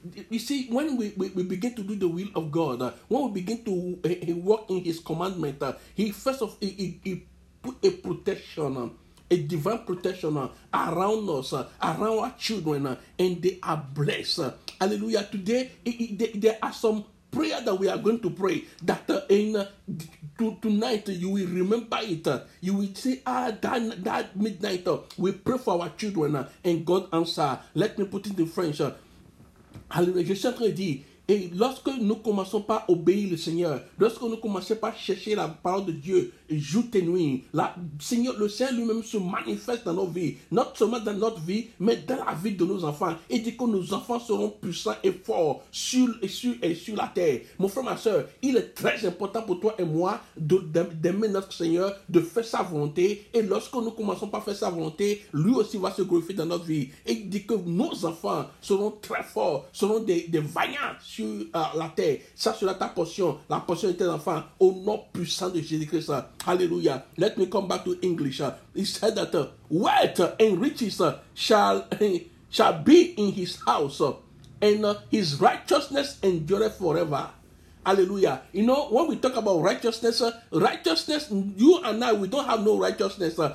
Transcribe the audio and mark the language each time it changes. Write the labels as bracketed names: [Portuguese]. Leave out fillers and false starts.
[English] You see, when we begin to do the will of God, when we begin to walk in his commandment, he first put a protection, a divine protection around us, around our children, and they are blessed. Hallelujah. Today, there are some prayer that we are going to pray that tonight you will remember it. You will say, that midnight, we pray for our children, and God answer. Let me put it in French. [French] Hallelujah. Je suis en train de dire, et lorsque nous commençons par obéir le Seigneur, lorsque nous commençons par chercher la parole de Dieu jour et nuit, le Seigneur lui-même se manifeste dans nos vies, not seulement dans notre vie, mais dans la vie de nos enfants. Et dit que nos enfants seront puissants et forts sur la terre. Mon frère, ma soeur, il est très important pour toi et moi d'aimer notre Seigneur, de faire sa volonté. Et lorsque nous commençons par faire sa volonté, lui aussi va se glorifier dans notre vie. Et dit que nos enfants seront très forts, seront des vaillants sur la terre. Ça sera ta portion, la portion de tes enfants, au nom puissant de Jésus-Christ. Hallelujah. [English] Let me come back to English. He said that wealth and riches shall be in his house, and his righteousness endureth forever. Hallelujah. You know, when we talk about righteousness, you and I, we don't have no righteousness.